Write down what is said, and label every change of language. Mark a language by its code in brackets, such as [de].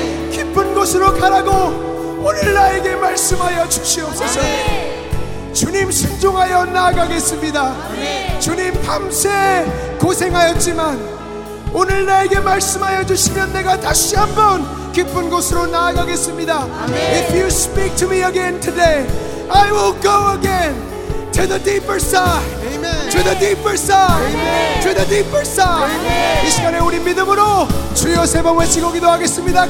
[ko] 깊은 곳으로 가라고 오늘 나에게 말씀하여 주시옵소서. 주님 순종하여 나아가겠습니다. 아멘. 주님 밤새 고생하였지만 오늘 나에게 말씀하여 주시면 내가 다시 한번 깊은 곳으로 나아가겠습니다. 아멘. [en] If you speak to me again today, I will go again to the deeper side. Amen. To the deeper side. Amen. To the deeper side. Amen. [ko] 이 시간에 우리 믿음으로 주여 세 번 외치고 기도하겠습니다.